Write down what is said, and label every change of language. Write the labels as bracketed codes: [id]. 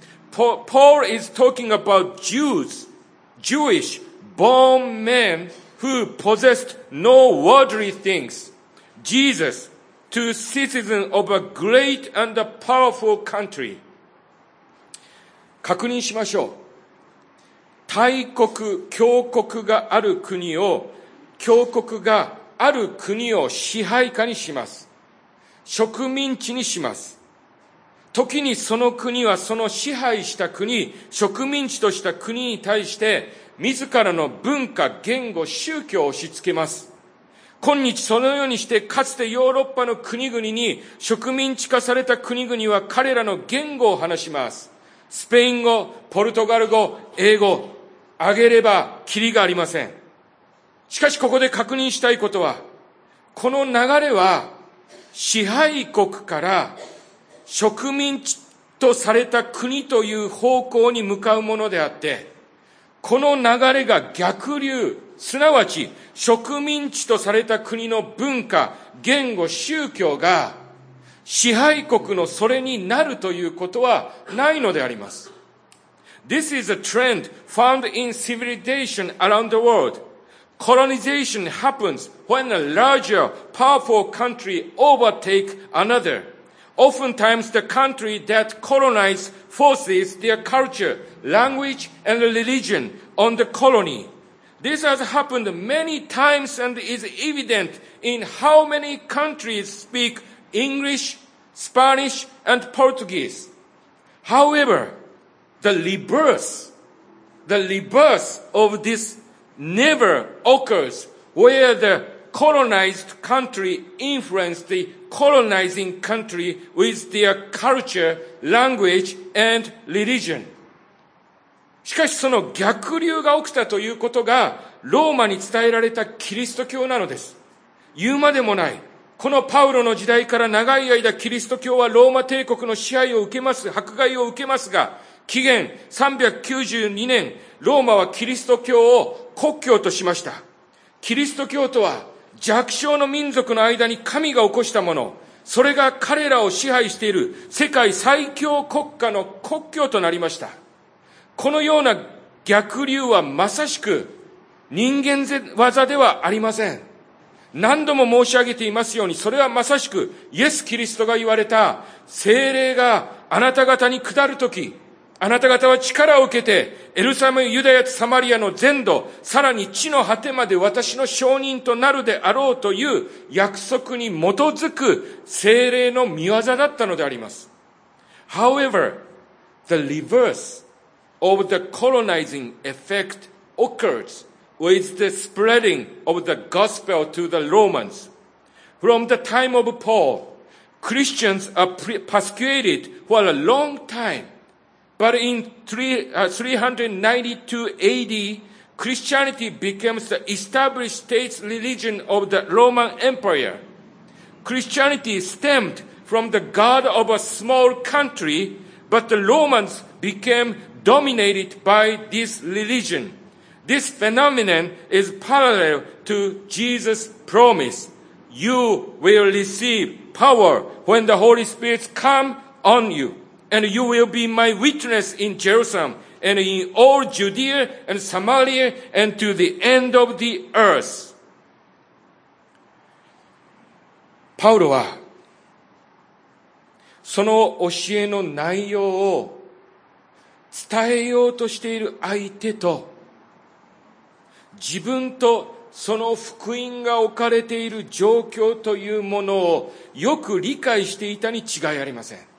[en] Paul is talking about Jewish born men who possessed no worldly things. Jesus. To citizen of a great and a powerful country. [ja] 確認しましょう。大国、強国がある国を、強国がある国を支配下にします。植民地にします。時にその国はその支配した国、植民地とした国に対して、自らの文化、言語、宗教を押し付けます。今日そのようにして、かつてヨーロッパの国々に植民地化された国々は彼らの言語を話します。スペイン語、ポルトガル語、英語、挙げればキリがありません。しかしここで確認したいことは、この流れは支配国から植民地とされた国という方向に向かうものであって、この流れが逆流、すなわち植民地とされた国の文化、言語、宗教が支配国のそれになるということはないのであります。 [en] This is a trend found in civilization around the world. Colonization happens when a larger, powerful country overtakes another. Oftentimes the country that colonizes forces their culture, language and religion on the colony. This has happened many times and is evident in how many countries speak English, Spanish, and Portuguese. However, the rebirth of this never occurs where the colonized country influenced the colonizing country with their culture, language, and religion. [ja] しかしその逆流が起きたということがローマに伝えられたキリスト教なのです。言うまでもない。このパウロの時代から長い間キリスト教はローマ帝国の支配を受けます、迫害を受けますが、紀元392年、ローマはキリスト教を国教としました。キリスト教とは弱小の民族の間に神が起こしたもの、それが彼らを支配している世界最強国家の国教となりました。このような逆流はまさしく人間技ではありません。何度も申し上げていますように、それはまさしくイエス・キリストが言われた聖霊があなた方に下るとき、あなた方は力を受けてエルサレム、ユダヤとサマリアの全土、さらに地の果てまで私の証人となるであろうという約束に基づく聖霊の御業だったのであります。 [en] However, the reverseof the colonizing effect occurs with the spreading of the gospel to the Romans. From the time of Paul, Christians are persecuted for a long time. But in 392 AD, Christianity becomes the established state religion of the Roman Empire. Christianity stemmed from the god of a small country, but the Romans became dominated by this religion. This phenomenon is parallel to Jesus' promise. You will receive power when the Holy Spirit comes on you, and you will be my witness in Jerusalem and in all Judea and Samaria and to the end of the earth. [ja] パウロはその教えの内容を伝えようとしている相手と自分とその福音が置かれている状況というものをよく理解していたに違いありません。